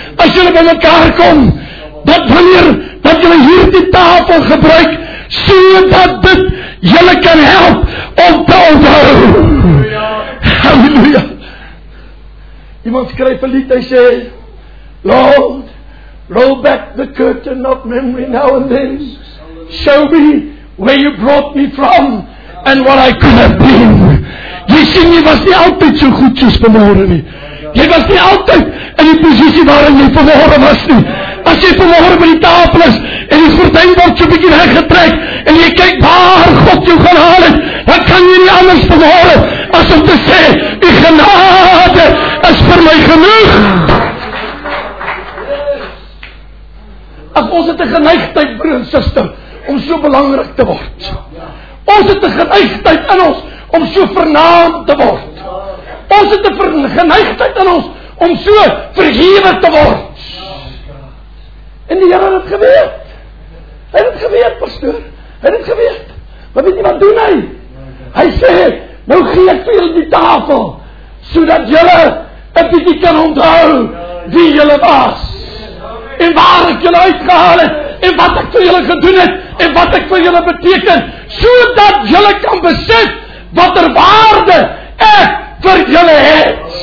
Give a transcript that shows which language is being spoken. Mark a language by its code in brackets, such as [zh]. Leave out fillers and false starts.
[nl] Als jullie bij elkaar komen. Dat wanneer, dat jullie hier die tafel gebruiken. Zodat dit jullie kan helpen om te onthouden. Halleluja. [en] Iemand schrijft een lied, hij zei, Lord, roll back the curtain of memory now and then. Show me where you brought me from and what I could have been. [nl] Je ziet, je was niet altijd zo goed als vanmorgen nie. Je was niet altijd in die positie waarin je vanmorgen was nie. Als je vanmorgen bij die tafel is en die gordijn wordt zo'n beetje weggetrekt en je kijkt waar God je gaan halen, dan kan je niet anders vanmorgen als om te zeggen, die genade is voor mij genoeg. [af] Ons het een geneigdheid, broer en sister, om so belangrijk te word. Ons het een geneigdheid in ons om so vernaam te word. Ons het een geneigdheid in ons om so vergewe te word. En die Heer het geweet. Hy het geweet, pastoor. Hy het geweet. Maar weet jy wat doen hy? Hy sê, nou gee ek vir julle die tafel, sodat julle een bietjie kan onthou wie julle was. [nl] En waar ik jullie uitgehaald heb, en wat ik voor jullie gedoen heb, en wat ik voor jullie betekent, zodat jullie kan beseffen wat er waarde ik voor jullie heb.